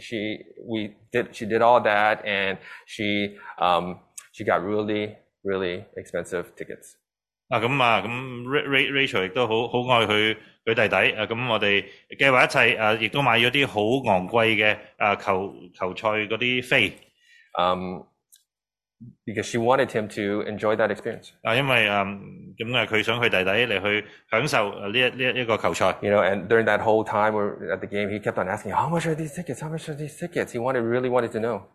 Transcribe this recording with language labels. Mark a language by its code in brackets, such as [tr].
[en] She did all that, and she got really expensive tickets. [yue] 咁 Rachel 亦都好爱佢弟弟，咁我哋计划一切，亦都买咗啲好昂贵嘅球赛嗰啲飞。 [en] Because she wanted him to enjoy that experience. [yue] 因为佢想佢弟弟嚟去享受呢一個球賽。 [en] You know, and during that whole time at the game, he kept on asking, "How much are these tickets? How much are these tickets?" He wanted, really wanted to know.